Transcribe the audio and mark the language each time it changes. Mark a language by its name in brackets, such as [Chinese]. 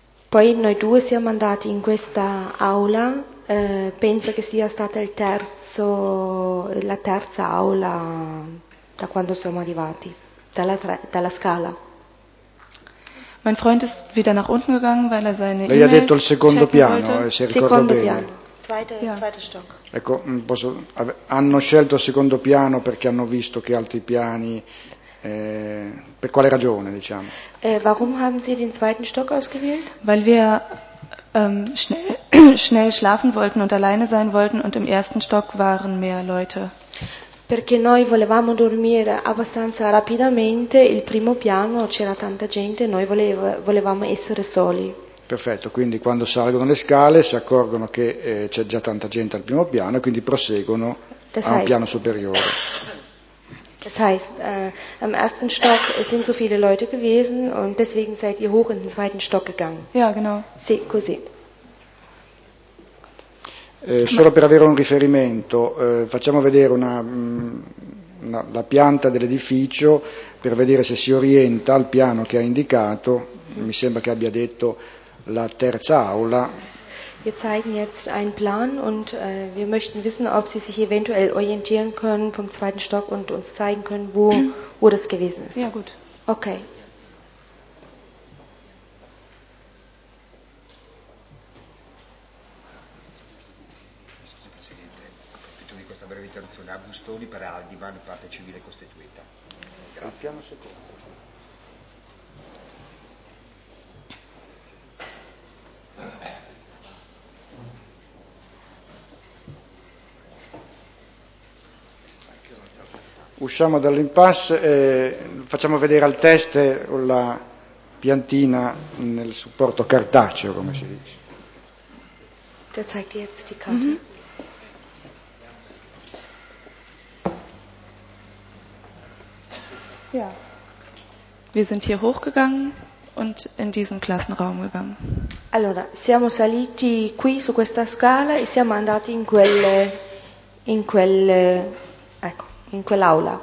[Italian] Poi noi due siamo andati in questa aula, penso che sia stata la terza aula da quando siamo arrivati, dalla scala. [German] Mein Freund ist wieder nach unten gegangen, weil er seine E-Mails checken wollte. [Italian] Lei ha detto il secondo piano, se ricorda bene. Secondo piano, [German] zweite Stock. [Italian] Ecco, hanno scelto il secondo piano perché hanno visto che altri piani, per quale ragione, diciamo? [German] Warum haben Sie den zweiten Stock ausgewählt? Weil wir schnell schlafen wollten und alleine sein wollten und im ersten Stock waren mehr Leute. [Italian] Perché noi volevamo dormire abbastanza rapidamente, il primo piano c'era tanta gente e noi volevamo essere soli. Perfetto, quindi quando salgono le scale si accorgono che c'è già tanta gente al primo piano e quindi proseguono a un piano superiore. [German] Das heißt, am ersten Stock sind so viele Leute gewesen und deswegen seid ihr hoch in den zweiten Stock gegangen. Ja, genau. [Italian] Sì, così. Solo per avere un riferimento, facciamo vedere la pianta dell'edificio per vedere se si orienta al piano che ha indicato, mi sembra che abbia detto la terza aula. [German] Wir zeigen jetzt einen Plan und wir möchten wissen, ob Sie sich eventuell orientieren können vom zweiten Stock und uns zeigen können, wo das gewesen ist. Ja, gut. Okay. [Italian] A Bustoni per Aldivan, parte civile costituita. Grazie. Secondo. Usciamo dall'impasse e facciamo vedere al test la piantina nel supporto cartaceo, come si dice. [German] Der zeigt jetzt die Karte. Mm-hmm. Ja. Wir sind hier hochgegangen und in diesen Klassenraum gegangen. [Italian] Allora, siamo saliti qui su questa scala e siamo andati in quell'aula.